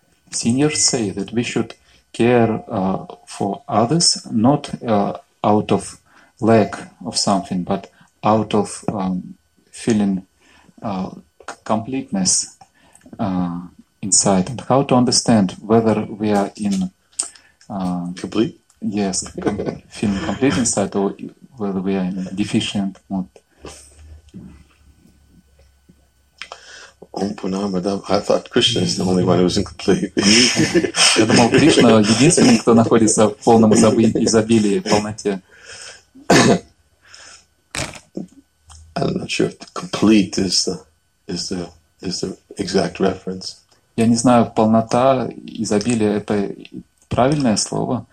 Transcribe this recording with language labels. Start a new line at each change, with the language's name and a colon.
English: Seniors say that we should care for others, not out of lack of something, but out of feeling completeness inside. And how to understand whether we are in complete? Yes, feeling complete inside, or whether we are in deficient mood.
Sanskrit: Om Purnama Dham.
English: I thought Krishna is the only one who is incomplete.
Russian: Я думал, Кришна единственный, кто находится в полном изобилии, полноте.
English: I'm not sure if complete is the exact reference.
Russian: Я не знаю, полнота, изобилие — это правильное слово.